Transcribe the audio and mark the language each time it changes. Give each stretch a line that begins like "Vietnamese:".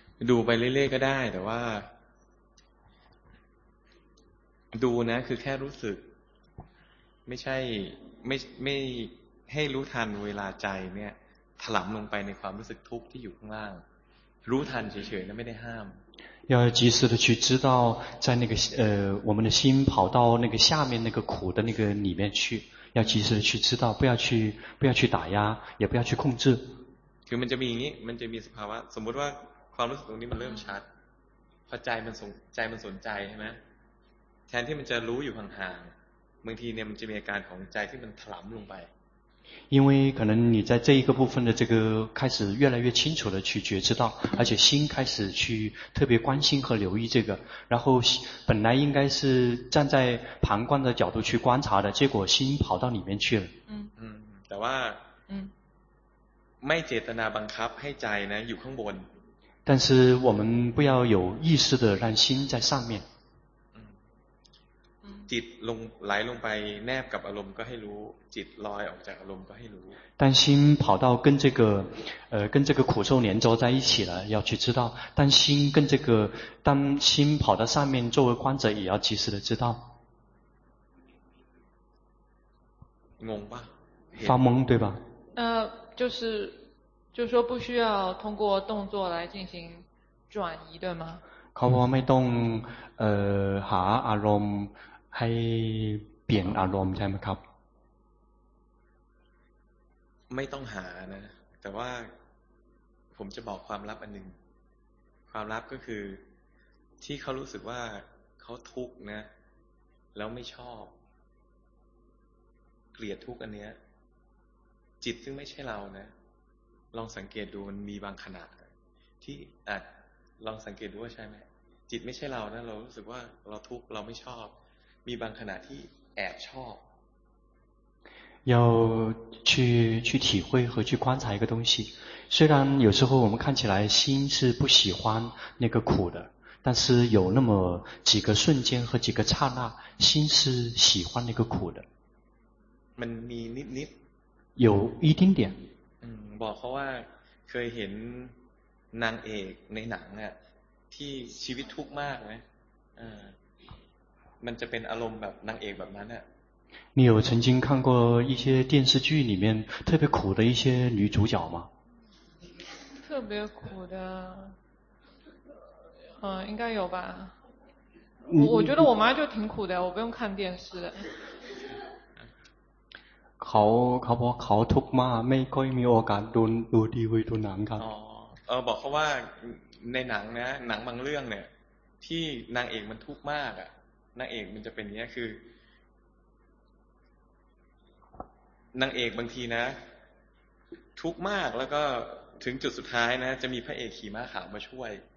Thai: ดูไปเรื่อยๆก็ได้แต่ว่าดูนะคือแค่รู้สึกไม่ใช่ไม่ให้รู้ทันเวลาใจเนี่ยถลำลงไปในความรู้สึกทุกข์ที่อยู่ข้างล่างรู้ทันเฉยๆนะไม่ได้ห้าม
Chinese: 要及时的去知道在那个我们的心跑到那个下面那个苦的那个里面去要及时的去知道不要去打压也不要去控制
Thai: คือมันจะมีอย่างนี้มันจะมีสภาวะสมมติว่าความรู้สึกตรงนี้มันเริ่มชัดพอใจมันสนใจใช่ไหมแทนที่มันจะรู้อยู่ห่างๆบางทีเนี่ยมันจะมีอาการของใจที่มันถลำลงไป
Chinese: 因为可能你在这一个部分的这个开始越来越清楚的去觉知到而且心开始去特别关心和留意这个然后本来应该是站在旁观的角度去观察的结果心跑到里面去了但是没
Thai: เจตนาบังคับให้ใจนะอยู่ข้างบน
Chinese: 但是我们不要有意识的让心在上面
Thai: จิตลงไหลลงไปแนบกับอารมณ์ก็ให้รู้จิตลอยออกจากอารมณ์ก็ให้รู้
Chinese: 但心跑到跟这个跟这个苦受连着在一起了要去知道但心跟这个当心跑到上面作为观者也要及时的知道
Thai: งงป่ะ
Chinese: 发懵对吧就是说不需要通过动作来进行转移对吗
Thai: เขาบอกไม่ต้องหาอารมณ์ให้เปลี่ยนอารมณ์ใช่ไหมครับ ไม่ต้องหานะแต่ว่าผมจะบอกความลับอันหนึ่งความลับก็คือที่เขารู้สึกว่าเขาทุกข์นะแล้วไม่ชอบเกลียดทุกข์อันเนี้ยจิตซึ่งไม่ใช่เรานะลองสังเกตดูมันมีบางขณะที่ลองสังเกตดูว่าใช่ไหมจิตไม่ใช่เรานะเรารู้สึกว่าเราทุกข์เราไม่ชอบมีบางขณะที่แอบชอบ
Chinese: 要去体会和去观察一个东西虽然有时候我们看起来心是不喜欢那个苦的但是有那么几个瞬间和几个刹那心是喜欢那个苦的
Thai: มันมีนิด
Chinese: ๆ有一丁点
Thai: บอกเขาว่าเคยเห็นนางเอกในหนังอ่ะที่ชีวิตทุกข์มากไหมมันจะเป็นอารมณ์แบบนางเอกแบบนั้นอ่ะ
Chinese: 你有曾经看过一些电视剧里面特别苦的一些女主角吗特别苦的应该有吧我觉得我妈就挺苦的我不用看电视的
Thai: เขาบอกเขาทุกข์มากไม่ค่อยมีโอกาสดูทีวีดูหนังครับ บอกเขาว่าในหนังนะหนังบางเรื่องเนี่ยที่นางเอกมันทุกข์มากอ่ะนางเอกมันจะเป็นเนี้ยคือนางเอกบางทีนะทุกข์มากแล้วก็ถึงจุดสุดท้ายนะจะมีพระเอกขี่ม้าขาวมาช่วย